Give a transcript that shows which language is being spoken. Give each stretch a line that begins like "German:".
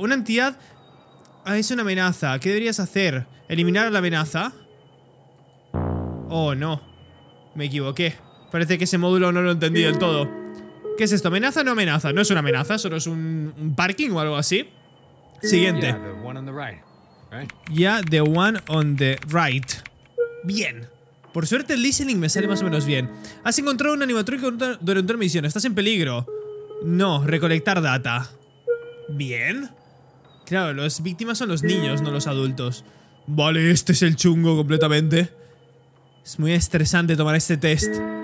Spanish: Una entidad es una amenaza. ¿Qué deberías hacer? ¿Eliminar la amenaza? Oh, no. Me equivoqué. Parece que ese módulo no lo entendí del todo. ¿Qué es esto? ¿Amenaza o no amenaza? No es una amenaza, solo es un parking o algo así. Siguiente.
English: Yeah, the one on the right.
Spanish: Bien. Por suerte el listening me sale más o menos bien. ¿Has encontrado un animatrónico durante una misión? ¿Estás en peligro? No, recolectar data. Bien. Claro, las víctimas son los niños, no los adultos. Vale, este es el chungo completamente. Es muy estresante tomar este test.